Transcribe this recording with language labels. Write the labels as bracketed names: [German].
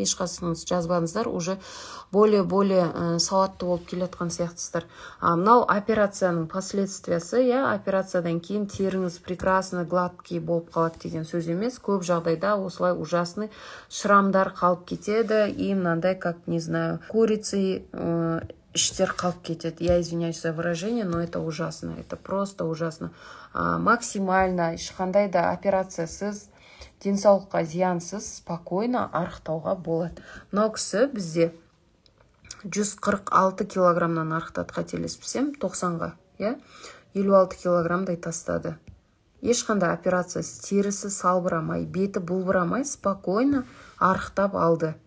[Kazakh] Ешқасыңыз жазбаңыздар. [Russian] Уже более-более [Kazakh] сауатты болып келеатқан сияқтысыздар. Мынау операцияның последствиясы. Иә, операциядан кейін теріңіз [Russian] прекрасно гладкий [Kazakh] болып қалады деген сөз емес. Көп жағдайда осылай ужасный шрамдар қалып кетеді. И мынандай, [Russian] как не знаю, курицы [Kazakh] іштер қалып кетеді. [Russian] Я извиняюсь за выражение, но это ужасно. Это просто ужасно. [Kazakh] Максимально ешқандай да операциясыз, денсаулыққа зиянсыз, спокойно арықтауға болады. Мынау кісі бізде 146 килограммнан арықтады, қателеспесем, 90-ға, иә? 56 килограммдай тастады. Ешқандай операция, терісі салбырамай, беті бұлбырамай, спокойно арықтап алды.